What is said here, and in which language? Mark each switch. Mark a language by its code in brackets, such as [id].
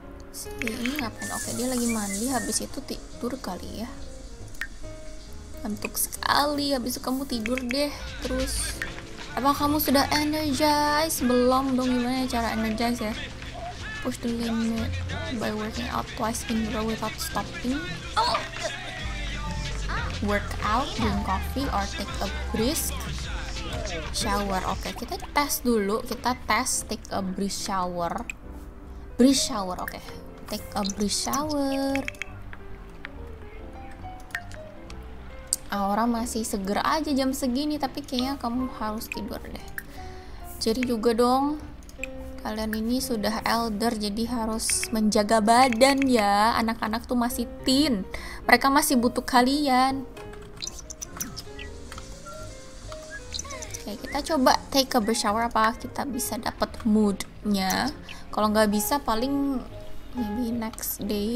[id] Si ini ngapain? Oke, dia lagi mandi, habis itu tidur kali ya. Ngantuk sekali, habis itu kamu tidur deh. Terus apa kamu sudah energized? Belum dong, gimana cara energize ya? [en] Push the limit by working out twice in a row without stopping. Work out, drink coffee, or take a brisk shower. [id] Oke, okay, kita tes dulu. Kita tes [en] take a brisk shower. Brisk shower, [id] oke. Okay. [en] Take a brisk shower. [id] Aura masih seger aja jam segini, tapi kayaknya kamu harus tidur deh. Jadi juga dong. Kalian ini sudah elder, jadi harus menjaga badan ya. Anak-anak tuh masih teen. Mereka masih butuh kalian. Oke, kita coba [en] take a shower. [id] Apa kita bisa dapet moodnya? Kalau nggak bisa, paling [en] maybe next day.